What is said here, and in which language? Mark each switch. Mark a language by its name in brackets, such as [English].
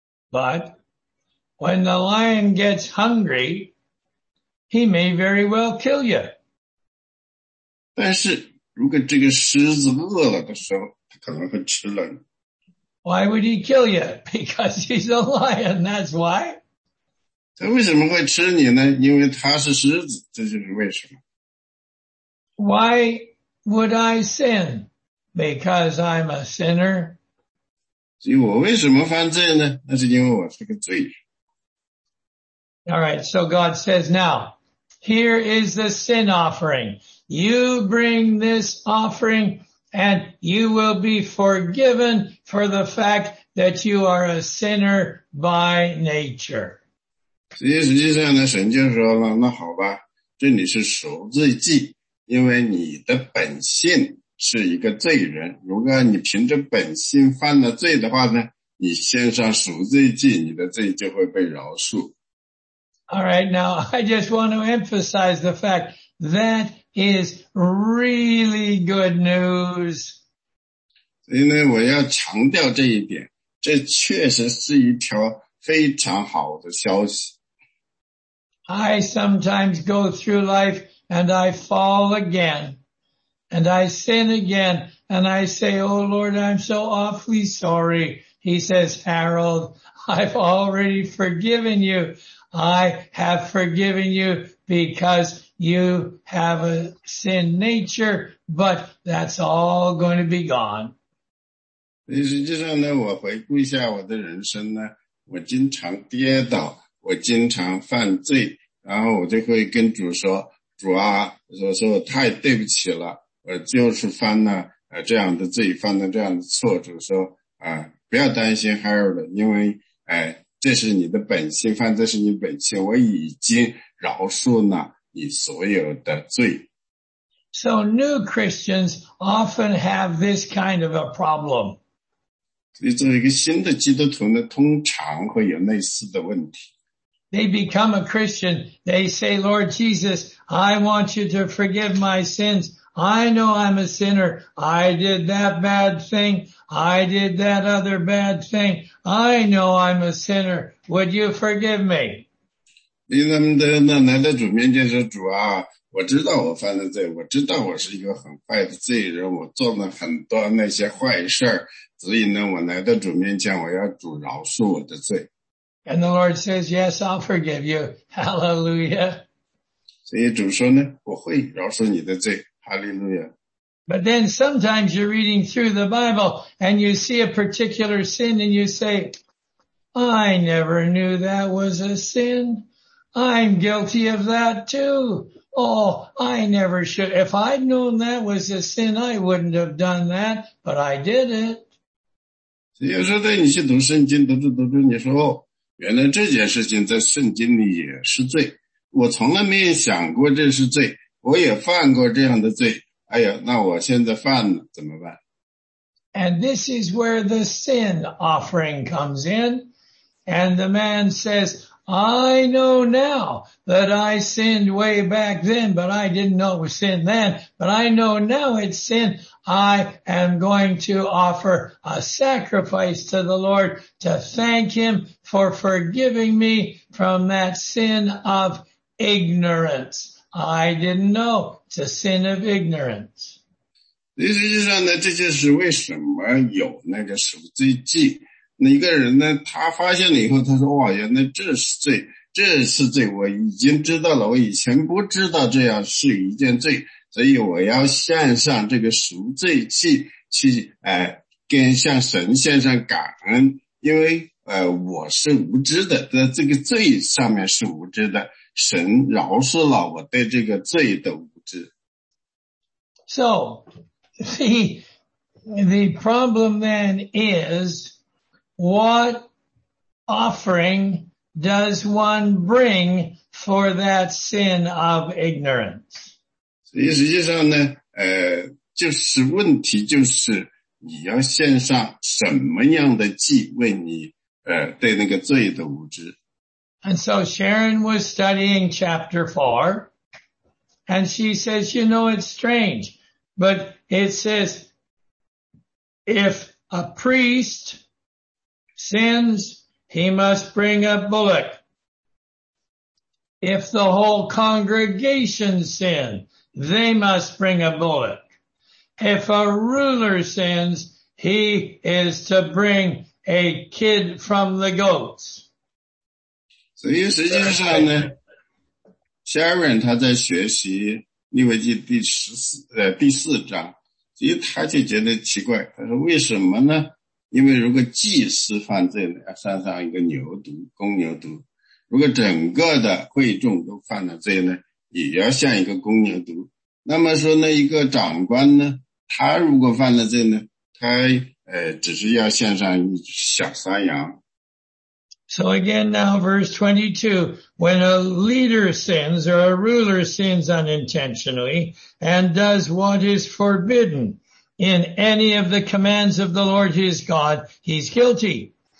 [English] But when the lion gets hungry, he may very well kill you. [Chinese] 但是如果这个狮子饿了的时候，他可能会吃了你。 [English] Why would he kill you? Because he's a lion, that's why. [Chinese] 他为什么会吃你呢？因为他是狮子，这就是为什么。 [English] Why would I sin? Because I'm a sinner. [Chinese] 所以我为什么犯罪呢？那是因为我是个罪人。 [English] All right, so God says now, here is the sin offering. You bring this offering and you will be forgiven for the fact that you are a sinner by nature. [Chinese] 所以实际上呢，神就说了，那好吧，这里是赎罪祭。因为你的本性是一个罪人，如果你凭着本性犯了罪的话呢，你献上赎罪祭，你的罪就会被饶恕。 [English] All right, now I just want to emphasize the fact that is really good news. [Chinese] 所以呢，我要强调这一点，这确实是一条非常好的消息。 [English] I sometimes go through life. And I fall again, and I sin again, and I say, oh Lord, I'm so awfully sorry. He says, Harold, I've already forgiven you. I have forgiven you because you have a sin nature, but that's all going to be gone. [Chinese] 实际上呢，我回顾一下我的人生呢，我经常跌倒，我经常犯罪，然后我就会跟主说，主啊，说我太对不起了，就是犯了这样的罪，犯了这样的错。主说不要担心 Harold， 因为这是你的本性，犯罪是你本性，我已经饶恕了你所有的罪。 [English] So new Christians often have this kind of a problem. [Chinese] 所以作为一个新的基督徒呢，通常会有类似的问题。 [English] They become a Christian. They say, Lord Jesus, I want you to forgive my sins. I know I'm a sinner. I did that bad thing. I did that other bad thing. I know I'm a sinner. Would you forgive me? [Chinese] 他们的那来到主面前说，主啊，我知道我犯了罪，我知道我是一个很坏的罪人，我做了很多那些坏事，所以呢，我来到主面前，我要主饶恕我的罪。 [English] And the Lord says, yes, I'll forgive you. Hallelujah. [Chinese] 所以主说呢，我会饶恕你的罪。 [English] Hallelujah. But then sometimes you're reading through the Bible and you see a particular sin and you say, I never knew that was a sin. I'm guilty of that too. Oh, I never should. If I'd known that was a sin, I wouldn't have done that, but I did it. [Chinese] 所以有时候在你去读圣经，读着读着你说，原来这件事情在圣经里也是罪，我从来没有想过这是罪，我也犯过这样的罪，哎呀，那我现在犯了怎么办？ [English] And this is where the sin offering comes in. And the man says, I know now that I sinned way back then, but I didn't know it was sin then, but I know now it's sin. I am going to offer a sacrifice to the Lord to thank him for forgiving me from that sin of ignorance. I didn't know. It's a sin of ignorance. [Chinese] 实际上呢，这就是为什么有那个赎罪祭。那一个人呢，他发现了以后，他说，哇，原来这是罪，这是罪，我已经知道了，我以前不知道这样是一件罪。所以我要献上这个赎罪祭去跟向神献上感恩，因为我是无知的，在这个罪上面是无知的，神饶恕了我对这个罪的无知。 [English] So the problem then is, what offering does one bring for that sin of ignorance? [Chinese] 所以实际上呢，就是问题就是你要献上什么样的祭为你对那个罪的无知。 [English] And so Sharon was studying chapter 4, and she says, you know, it's strange, but it says, if a priest sins, he must bring a bullock. If the whole congregation sin, they must bring a bullock. If a ruler sins, he is to bring a kid from the goats. [Chinese] 所以实际上呢 ,Sharon 他在学习利未记第四章，所以他就觉得奇怪，他说为什么呢？因为如果祭司犯罪了，要杀上一个牛犊、公牛犊；如果整个的会众都犯了罪呢，也要像一个公牛犊。那么说呢，一个长官呢，他如果犯了罪呢，他只是要献上一小山羊。 [English] So again now verse 22, when a leader sins or a ruler sins unintentionally and does what is forbidden in any of the commands of the Lord his God, he's guilty.